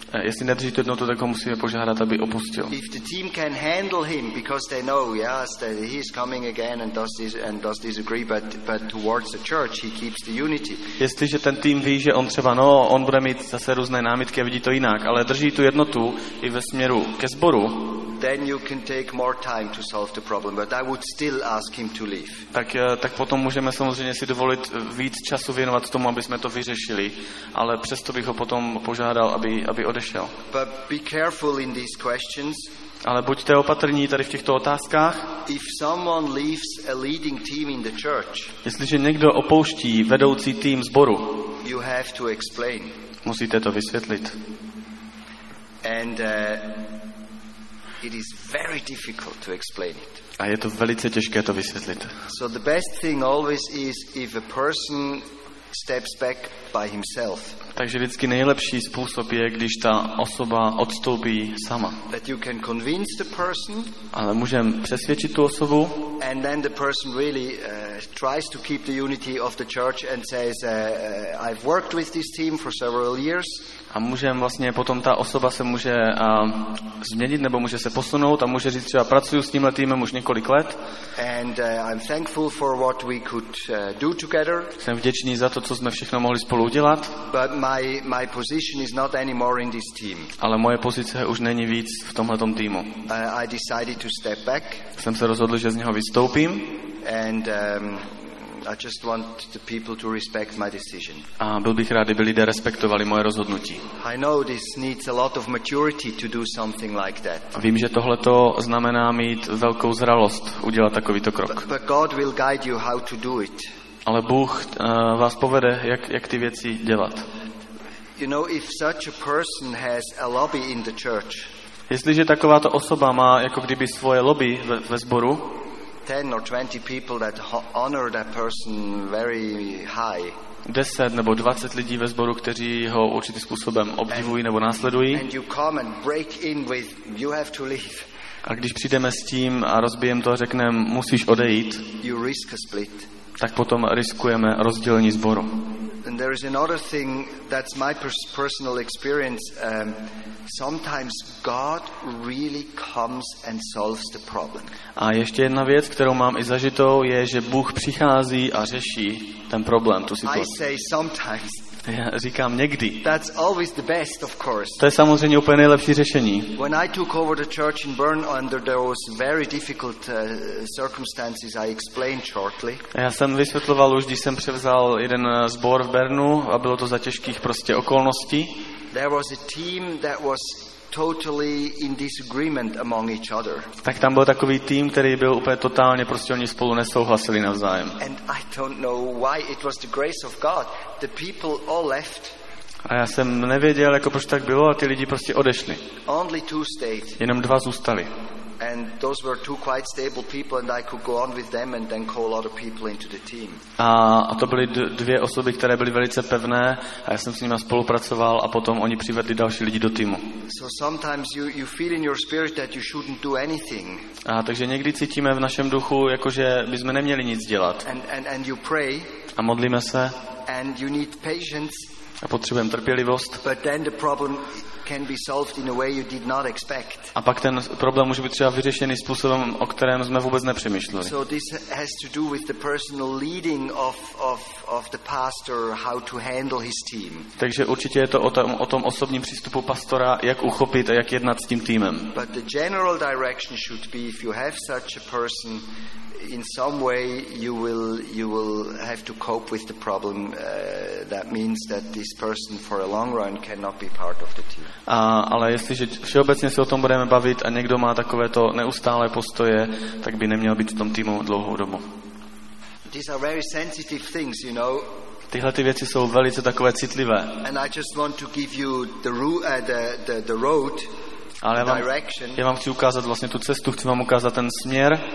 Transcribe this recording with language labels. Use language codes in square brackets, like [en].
[cs] Jestli nedrží tu jednotu, tak ho musíme požádat, aby opustil. [en] If the team can handle him because they know, yes, that he's coming again and does this and does disagree, but towards the church he keeps the unity. [cs] Jestliže ten tým ví, že on třeba no, on bude mít zase různé námitky a vidí to jinak, ale drží tu jednotu i ve směru ke sboru. [en] Then you can take more time to solve the problem, but I would still ask him to leave. [cs] Tak potom můžeme samozřejmě si dovolit víc času věnovat tomu, aby jsme to vyřešili, ale přesto bych ho potom požádal, aby odešel. [en] But be careful in these questions. [cs] Ale buďte opatrní tady v těchto otázkách. [en] If someone leaves a leading team in the church, [cs] jestliže někdo opouští vedoucí tým sboru, [en] you have to explain. [cs] Musíte to vysvětlit. [en] And it is very difficult to explain it. [cs] A je to velice těžké to vysvětlit. [en] So the best thing always is if a person steps back by himself. [cs] Takže vždycky nejlepší způsob je, když ta osoba odstoupí sama. [en] That you can convince the person. [cs] Ale můžeme přesvědčit tu osobu. [en] And then the person really tries to keep the unity of the church and says, I've worked with this team for several years. [cs] A můžeme vlastně potom ta osoba se může změnit nebo může se posunout a může říct, že pracuju s tímhle týmem už několik let. [en] And I'm thankful for what we could do together. [cs] Jsem vděčný za to, co jsme všechno mohli spolu udělat. [en] But my position is not anymore in this team. [cs] Ale moje pozice už není víc v tomhle tom týmu. [en] I decided to step back. [cs] Jsem se rozhodl, že z něho vystoupím. [en] And I just want the people to respect my decision. [cs] A byl bych rád, kdyby lidé respektovali moje rozhodnutí. [en] I know this needs a lot of maturity to do something like that. [cs] Vím, že tohle to znamená mít velkou zralost udělat takovýto krok. [en] But God will guide you how to do it. [cs] Ale Bůh vás povede, jak ty věci dělat. [en] You know, if such a person has a lobby in the church. [cs] Jestliže takováto osoba má jako kdyby svoje lobby ve sboru. [en] 10 or 20 people that honor that person very high. [cs] 10 nebo 20 lidí ve sboru, kteří ho určitým způsobem obdivují nebo následují. [en] And you come and break in with, you have to leave. [cs] A když přijdeme s tím a rozbijeme to a řekneme, musíš odejít. [en] You risk a split. [cs] Tak potom riskujeme rozdělení sboru. [en] And there is another thing that's my personal experience. Sometimes God really comes and solves the problem. [cs] A ještě jedna věc, kterou mám i zažitou, je, že Bůh přichází a řeší ten problém, tu situaci. [en] I say sometimes. [cs] Já říkám někdy. [en] That's always the best, of course. [cs] To je samozřejmě úplně nejlepší řešení. [en] When I took over the church in Bern under those very difficult circumstances, I explained shortly. [cs] Já jsem vysvětloval už, když jsem převzal jeden sbor v Bernu a bylo to za těžkých prostě okolností. [en] There was a team that was totally in disagreement among each other. [cs] Tak tam byl takový tým, který byl úplně totálně prostě oni spolu nesouhlasili navzájem. [en] And I don't know why it was the grace of God. The people all left. [cs] A já jsem nevěděl, jako proč tak bylo, a ty lidi prostě odešli. [en] Only two stayed. [cs] Jenom dva zůstali. [en] And those were two quite stable people and I could go on with them and then call other people into the team. [cs] A to byly dvě osoby, které byly velice pevné a já jsem s nimi spolupracoval a potom oni přivedli další lidi do týmu. [en] So sometimes you feel in your spirit that you shouldn't do anything. [cs] A takže někdy cítíme v našem duchu, jakože bychom neměli nic dělat. [en] And you pray. [cs] A modlíme se. [en] And you need patience. [cs] A potřebujeme trpělivost. [en] But then the problem can be solved in a way you did not expect. [cs] A pak ten problém může být třeba vyřešený způsobem, o kterém jsme vůbec nepřemýšleli. [en] So this has to do with the personal leading of the pastor, how to handle his team. [cs] Takže určitě je to o tom osobním přístupu pastora, jak uchopit a jak jednat s tím týmem. [en] But the general direction should be, if you have such a person, in some way you will have to cope with the problem. That means that this person for a long run cannot be part of the team. [cs] Ale jestliže všeobecně se o tom budeme bavit a někdo má takovéto neustálé postoje, tak by neměl být v tom týmu dlouhou dobu. [en] These are very sensitive things, you know. [cs] Tyhle ty věci jsou velice takové citlivé. [en] And I just want to give you the road. [cs] Ale já vám chci ukázat vlastně tu cestu, chci vám ukázat ten směr.